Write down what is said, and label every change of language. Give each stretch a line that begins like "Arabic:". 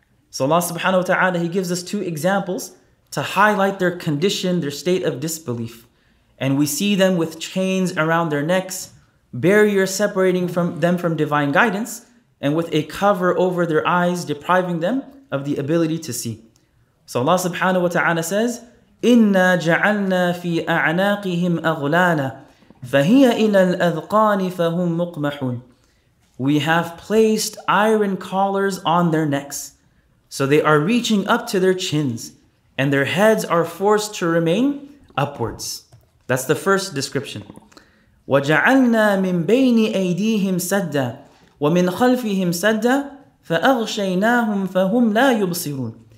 English: So Allah subhanahu wa ta'ala, He gives us two examples to highlight their condition, their state of disbelief. And we see them with chains around their necks, barriers separating from them from divine guidance, and with a cover over their eyes, depriving them of the ability to see. So Allah subhanahu wa ta'ala says,
Arabic: إِنَّا جَعَلْنَا فِي أَعْنَاقِهِمْ أَغْلَالًا فَهِيَ إِلَى الْأَذْقَانِ فَهُمْ مُقْمَحُونَ.
English: We have placed iron collars on their necks, so they are reaching up to their chins, and their heads are forced to remain upwards. That's the first description.
Arabic: وَجَعَلْنَا مِنْ بَيْنِ أَيْدِيهِمْ سَدَّا وَمِنْ خَلْفِهِمْ سَدَّا فَأَغْشَيْنَاهُمْ فَهُمْ لَا يُبْصِرُونَ.